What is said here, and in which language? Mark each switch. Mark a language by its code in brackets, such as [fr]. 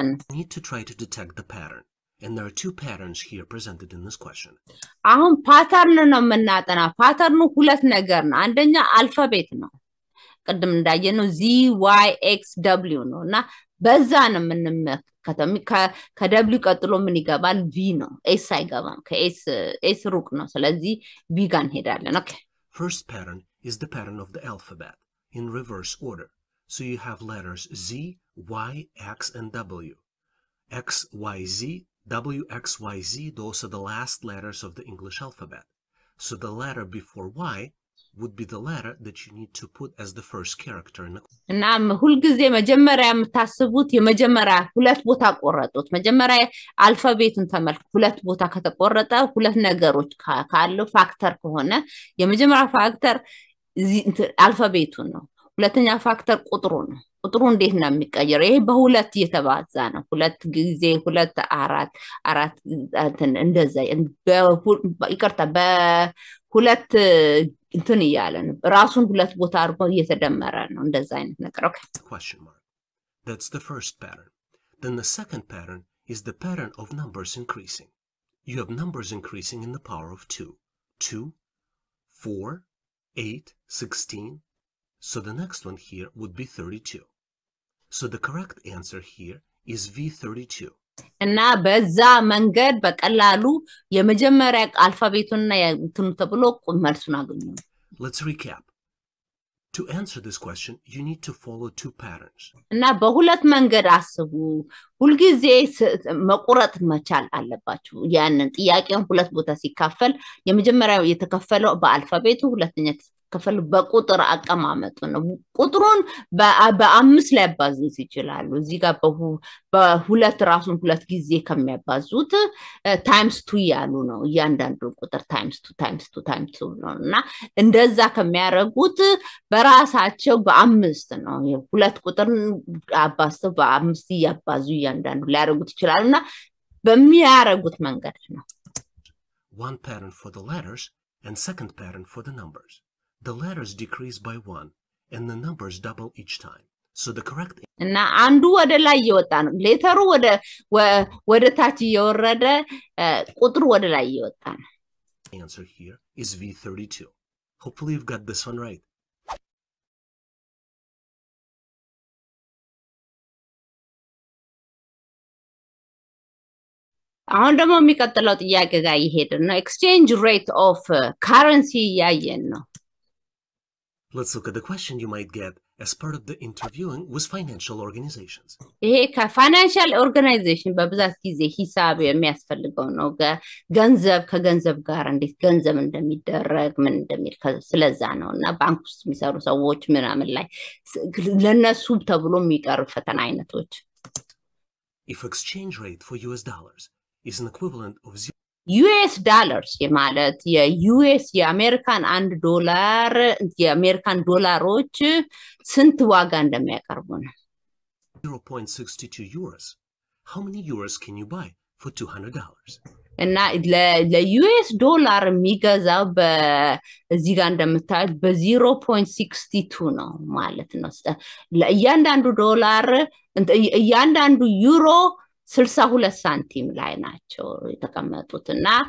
[en] need to try to detect the pattern. And there are two patterns here presented in this question. [am] አሁን ፓተርን ነው መናጠና ፓተርኑ ሁለት ነገር ነው አንደኛ አልፋቤት ነው ቀድም እንዳየነው Z Y X W ነው እና በዛ ነው የምንመከተው ከW ቀጥሎ ምን ይገባል V ነው S አይገባም ከS S ሩቅ ነው ስለዚህ V ጋር እንሄዳለን ኦኬ [en] First pattern is the pattern of the alphabet in reverse order. So you have letters Z Y X and W. X Y Z W, X, Y, Z, those are the last letters of the English alphabet. So the letter before Y would be the letter that you need to put as the first character. [am] እናም ሁልጊዜ መጀመሪያ የምታስቡት የመጀመሪያ ሁለት ቦታ ቆረጡት መጀመሪያ አልፋቤቱን ተመልክ ሁለት ቦታ ከተቆረጠ ሁለት ነገሮች ካለው ፋክተር ከሆነ የመጀመሪያ ፋክተር አልፋቤቱ ነው ሁለተኛ ፋክተር ቁጥሩ ነው ቁጥሩ እንዴት ነው የሚቀየረው ይሄ በሁለት እየተባዛ ነው ሁለት ጊዜ ሁለት አራት አራት እንትን እንደዛ ይቅርታ በሁለት እንትን እያለ ነው ራሱን ሁለት ቦታ አድርጎ እየተደመረ ነው እንደዛ አይነት ነገር [en] ኦኬ That's the first pattern. Then the second pattern is the pattern of numbers increasing. You have numbers increasing in the power of 2. 2, 4, 8, 16, So the next one here would be 32. So the correct answer here is V32. [am] እና በዛ መንገድ በቀላሉ የመጀመሪያ አልፋቤቱንና የእንትኑ ተብሎ መልሱን አገኙ። [en] Let's recap. To answer this question, you need to follow two patterns. [am] እና በሁለት መንገድ አስቡ። ሁልጊዜ መቁረጥ መቻል አለባችሁ። ያንን ጥያቄን ሁለት ቦታ ሲካፈል የመጀመሪያው የተከፈለው በአልፋቤቱ ሁለተኛው ከፈል በቁጥር አቀማመጡ ነው። ቁጥሩን በአምስት ላይ አባዙት ይችላሉ። እዚህ ጋር በሁለት ራሱን ሁለት ጊዜ ከሚያባዙት ታይምስ 2 ያሉ ነው። እያንዳንዱ ቁጥር ታይምስ 2 ታይምስ 2 ታይምስ 2 ነውና እንደዛ ከሚያረጉት በራሳቸው በአምስት ነው። ሁለት ቁጥር አባዝተው በአምስት ያባዙ እያንዳንዱ ሊያረጉት ይችላሉና በሚያረጉት መንገድ ነው። [en] One pattern for the letters and second pattern for the numbers. The letters decrease by 1 and the numbers double each time. So the correct [am] እና አንዱ ወደ ላይ ይወጣ ነው። ሌተሩ ወደ ታች ይወረደ ቁጥሩ ወደ ላይ ይወጣ ነው። [en] The answer here is V32. Hopefully you've got this one right. [am] አሁን ደግሞ የሚቀጥለው ጥያቄ ጋር ይሄድ ነው። [en] Exchange rate of currency [am] ያየን ነው። [en] Let's look at the question you might get as part of the interviewing with financial organizations. [am] ይሄ ከfinancial organization በብዛት ጊዜ ሂሳብ የሚያስፈልገው ነው። ገንዘብ ከገንዘብ ጋር እንዴት ገንዘብ እንደሚደረግ ምን እንደሚል ስለዛ ነውና ባንክ ውስጥ የሚሰሩ ሰዎች ምናምን ላይ ለነሱ ተብሎ የሚቀርብ ፈተና አይነቶች። [en] If exchange rate for US dollars is an equivalent of zero [am] US dollars ማለት የUS የአሜሪካን 1 ዶላር የአሜሪካን ዶላሮች ስንት ዋጋ እንደሚያቀርቡ ነው። [en] 0.62 euros. How many euros can you buy for $200? [am] እና ለUS ዶላር የሚገዛው በዚህ ጋር እንደምታዩት በ0.62 ነው ማለት ነው። ለእያንዳንዱ ዶላር እያንዳንዱ ዩሮ 62 ሳንቲም ላይ ናቸው የተቀመጡትና